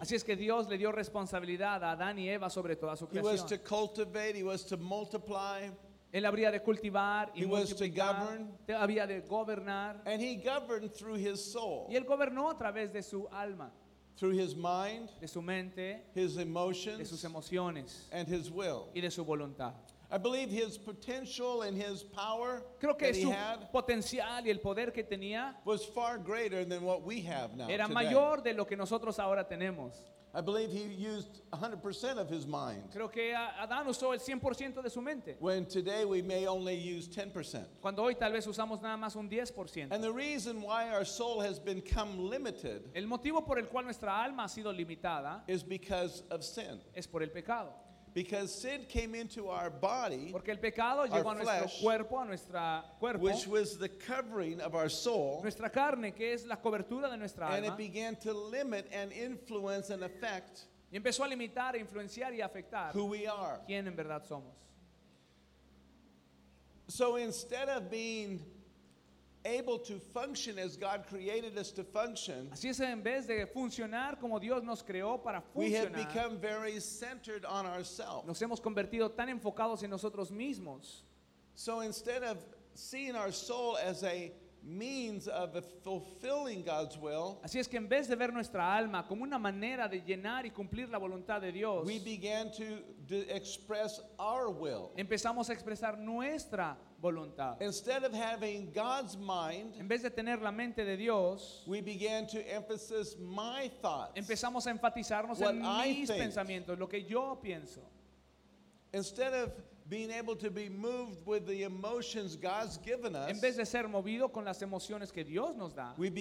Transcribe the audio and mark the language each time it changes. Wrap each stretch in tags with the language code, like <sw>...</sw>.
<es>Así es que Dios le dio responsabilidad a Adán y Eva sobre toda su creación.</es> <en>He was to cultivate, he was to multiply.</en> <es>Él habría de cultivar y</es> <en>he was to govern.</en> <es>Había de gobernar.</es> <en>And he governed through his soul.</en> <es>Y él gobernó a través de su alma.</es> <en>Through his mind,</en> <es>de su mente,</es> <en>his emotions,</en> <es>de sus emociones,</es> <en>and his will,</en> <es>y de su voluntad.</es> <en>I believe his potential and his power</en> <es>creo que</es> <en>that</en> <es>su</es> <en>he had</en> <es>potencial y el poder que tenía</es> <en>was far greater than what we have now.</en> <es>Era</es> <en>today.</en> <es>Mayor de lo que nosotros ahora tenemos.</es> <en>I believe he used 100% of his mind.</en> <es>Creo que Adán usó el 100% de su mente.</es> <en>When today we may only use 10%.</en> <es>Cuando hoy tal vez usamos nada más un 10%.</es> <en>And the reason why our soul has become limited.</en> <es>El motivo por el cual nuestra alma ha sido limitada.</es> <en>Is because of sin.</en> <es>Es por el pecado.</es> <en>Because sin came into our body.</en> <es>Porque el pecado llegó a nuestro cuerpo, a nuestra cuerpo.</es> <en>Which was the covering of our soul.</en> <es>Nuestra carne, que es la cobertura de nuestra alma.</es> <en>And it began to limit and influence and affect.</en> <es>Y empezó a limitar, a influenciar y a afectar.</es> <en>Who we are.</en> <es>Quién en verdad somos.</es> <en>So instead of being able to function as God created us to function.</en> <es>Así es, en vez de funcionar como Dios nos creó para funcionar.</es> <en>We have become very centered on ourselves.</en> <es>Nos hemos convertido tan enfocados en nosotros mismos.</es> <en>So instead of seeing our soul as a means of fulfilling God's will.</en> <es>Así es que en vez de ver nuestra alma como una manera de llenar y cumplir la voluntad de Dios.</es> <en>We began to express our will.</en> <es>Empezamos a expresar nuestra voluntad.</es> <en>Instead of having God's mind,</en> <es>en vez de tener la mente de Dios,</es> <en>we began to emphasize my thoughts.</en> <es>Empezamos a enfatizarnos en mis pensamientos, lo que yo pienso.</es> <en>Instead of being able to be moved with the emotions God's given us,</en> <es>en vez de ser movido con las emociones que Dios nos da,</es>